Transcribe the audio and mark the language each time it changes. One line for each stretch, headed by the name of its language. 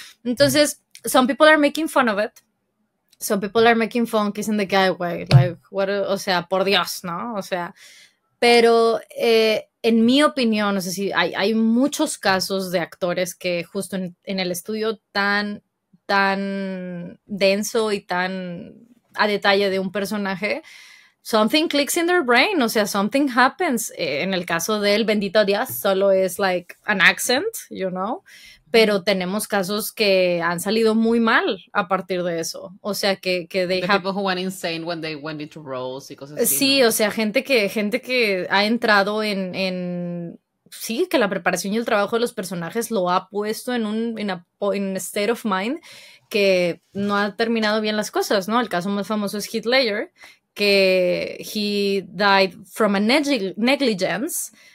Spanish: Entonces,
English: some people are making fun of it. Some people are making fun, kissing the guy away, like, what,
Spanish: o sea, por Dios, ¿no? O sea, pero en mi opinión, no sé si hay muchos casos de actores que justo en el estudio tan denso y tan a detalle de un personaje,
English: something clicks in their brain,
Spanish: o sea,
English: something happens.
Spanish: En el caso de él, bendito Dios, solo es
English: like an accent, you know?
Spanish: Pero tenemos casos que han salido muy mal a partir de eso. O sea, que
English: they the people who went insane when they went into roles
Spanish: y cosas así. Sí, ¿no? O sea, gente que ha entrado en sí, que la preparación y el trabajo de los personajes lo ha puesto en
English: a state of mind
Spanish: que no ha terminado bien las cosas, ¿no? El caso más famoso es Heath Ledger, que
English: he died from a negligence.